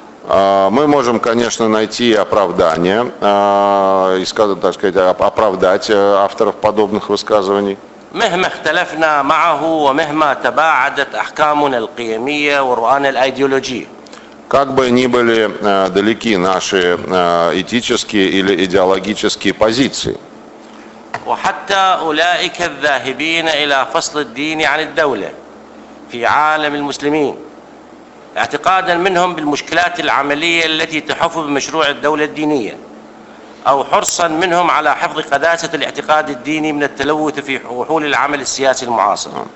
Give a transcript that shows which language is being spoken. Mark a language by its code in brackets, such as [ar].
[ru] Мы можем, конечно, найти оправдание, так сказать, оправдать авторов подобных высказываний. [ar] مهما اختلفنا معه ومهما تباعدت أحكامنا القيمية ورؤانا الأيديولوجية. [ru] Как бы ни были далеки наши этические или идеологические позиции. [ar] وحتى أولئك الذاهبين إلى فصل الدين عن الدولة في عالم المسلمين اعتقادا منهم بالمشكلات العملية التي تحف بمشروع الدولة الدينية أو حرصا منهم على حفظ قداسة الاعتقاد الديني من التلوث في وحول العمل السياسي المعاصر.